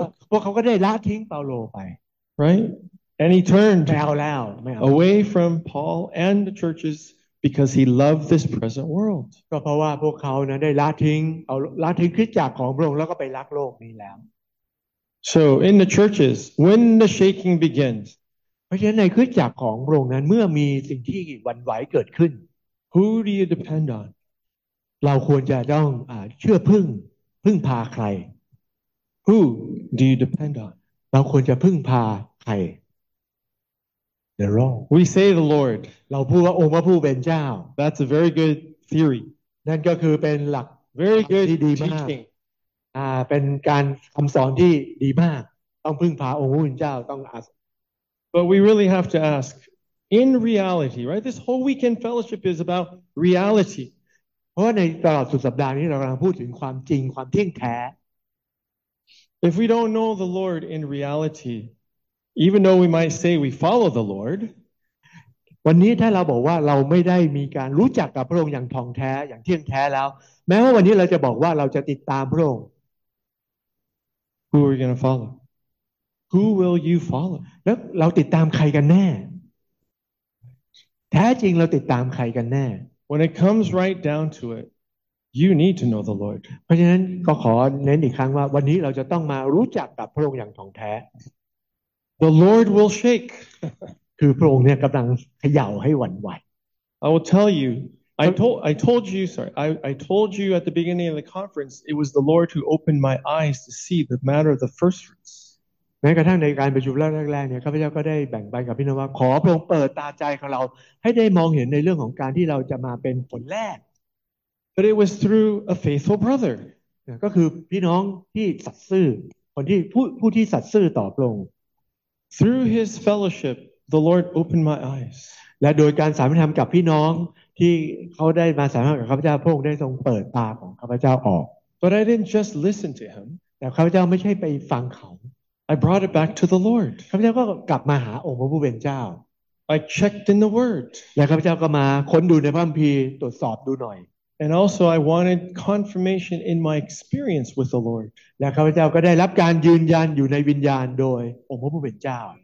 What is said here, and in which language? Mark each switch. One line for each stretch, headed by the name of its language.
Thai: พวกเขาก็ได้ละทิ้งเปาโลไป
English: Right. And he turned away from Paul and the churches because he loved this present world.
Thai: ก็เพราะว่าพวกเขานั้นได้ละทิ้งเอาละทิ้งคริสตจักรของพระองค์แล้วก็ไปรักโลกนี้แล้ว
English: So in the churches, when the shaking begins,
Thai: เพราะฉะนั้นในคริสตจักรของพระองค์นั้นเมื่อมีสิ่งที่หวั่นไหวเกิดขึ้น
English: Who do you depend on?
Thai: เราควรจะต้องเชื่อพึ่งพาใคร
English: Who do you depend on?
Thai: เราควรจะพึ่งพาใคร
English: They're wrong. We say the Lord.
Thai: เราพูดว่าองค์พระผู้เป็นเจ้า
English: That's a very good theory.
Thai: นั่นก็คือเป็นหลัก
English: Very good teaching.
Thai: เป็นการคำสอนที่ดีมากต้องพึ่งพาองค์พระผู้เป็นเจ้าต้องอาศัย
English: But we really have to ask, in reality, right? This whole weekend fellowship is about reality.
Thai: เพราะในตลอดสุดสัปดาห์นี้เรากำลังพูดถึงความจริงความเที่ยงแท้
English: If we don't know the Lord in reality,Even though we might say we follow the Lord,
Thai: วันนี้ถ้าเราบอกว่าเราไม่ได้มีการรู้จักกับพระองค์อย่างท่องแท้อย่างเที่ยงแท้แล้วแม้ว่าวันนี้เราจะบอกว่าเราจะติดตามพระองค์
English: Who are you going to follow? Who will you follow?
Thai: แล้วเราติดตามใครกันแน่แท้จริงเราติดตามใครกันแน่
English: When it comes right down to it, you need to know the Lord.
Thai: เพราะฉะนั้นก็ขอเน้นอีกครั้งว่าวันนี้เราจะต้องมารู้จักกับพระองค์อย่างท่องแท้
English: The Lord will shake.
Thai: คือพระองค์เนี่ยกำลังเขย่าให้หวั่นไหว
English: I will tell you. I told you at the beginning of the conference. It was the Lord who opened my eyes to see the matter of the first fruits.
Thai: แม้กระทั่งในการประชุมแรกๆเนี่ยข้าพเจ้าก็ได้แบ่งปันกับพี่น้องว่าขอพระองค์เปิดตาใจของเราให้ได้มองเห็นในเรื่องของการที่เราจะมาเป็นผลแรก
English: But it was through a faithful brother.
Thai: ก็คือพี่น้องที่สัตย์ซื่อคนที่ผู้ที่สัตย์ซื่อต่อพระองค์
English: Through his fellowship, the Lord opened my eyes.
Thai: และโดยการสามัญธรรมกับพี่น้องที่เขาได้มาสามารถกับข้าพเจ้าพระองค์ได้ทรงเปิดตาของข้าพเจ้าออก
English: But I didn't just listen to him
Thai: แต่ข้าพเจ้าไม่ใช่ไปฟังเขา
English: I brought it back to the Lord
Thai: ข้าพเจ้าก็กลับมาหาองค์พระผู้เป็นเจ้า
English: I checked in the Word
Thai: และข้าพเจ้าก็มาค้นดูในพระคัมภีร์ตรวจสอบดูหน่อย
English: And also I wanted confirmation in my experience with the Lord.
Thai: และข้าพเจ้าก็ได้รับการยืนยันอยู่ในวิญญาณโดยองค์พระผู้เป็นเจ้า